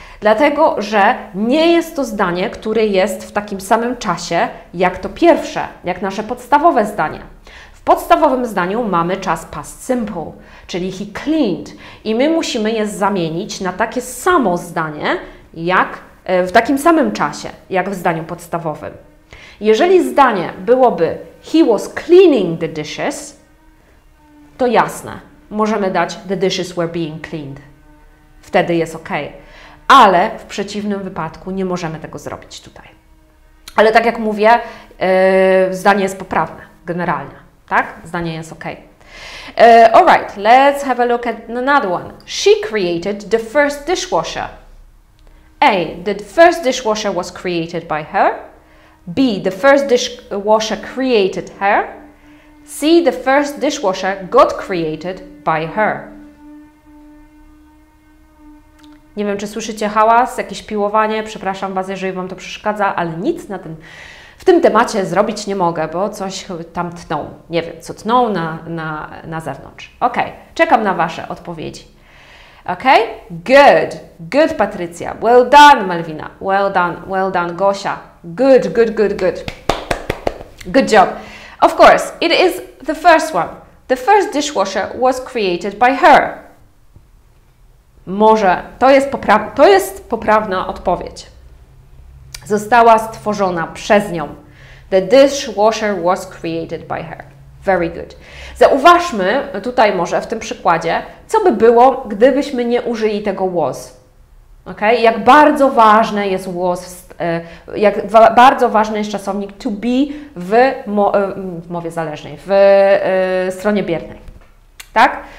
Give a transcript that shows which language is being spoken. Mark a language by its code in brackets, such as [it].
[pl] Dlatego, że nie jest to zdanie, które jest w takim samym czasie, jak to pierwsze, jak nasze podstawowe zdanie. W podstawowym zdaniu mamy czas past simple, czyli [en] he cleaned. [pl] I my musimy je zamienić na takie samo zdanie, jak w takim samym czasie, jak w zdaniu podstawowym. Jeżeli zdanie byłoby [en] he was cleaning the dishes, [pl] to jasne, możemy dać [en] the dishes were being cleaned. [pl] Wtedy jest ok. Ale w przeciwnym wypadku nie możemy tego zrobić tutaj. Ale tak jak mówię, zdanie jest poprawne, generalnie, tak? Zdanie jest ok. [en] Alright, let's have a look at another one. She created the first dishwasher. A. The first dishwasher was created by her. B. The first dishwasher created her. C. The first dishwasher got created by her. [pl] Nie wiem, czy słyszycie hałas, jakieś piłowanie, przepraszam Was, jeżeli Wam to przeszkadza, ale nic na ten, w tym temacie zrobić nie mogę, bo coś tam tną, nie wiem, co tną na zewnątrz. Ok, czekam na Wasze odpowiedzi. [en] Ok, good, good Patrycja, well done Malwina, well done Gosia, good, good, good, good, good job. Of course, it is the first one, the first dishwasher was created by her. [pl] Może to jest poprawna odpowiedź. Została stworzona przez nią. [en] The dishwasher was created by her. Very good. [pl] Zauważmy tutaj może w tym przykładzie, co by było, gdybyśmy nie użyli tego was. Okay? Jak bardzo ważne jest was, jak bardzo ważny jest czasownik to be w mowie zależnej, w stronie biernej. Tak?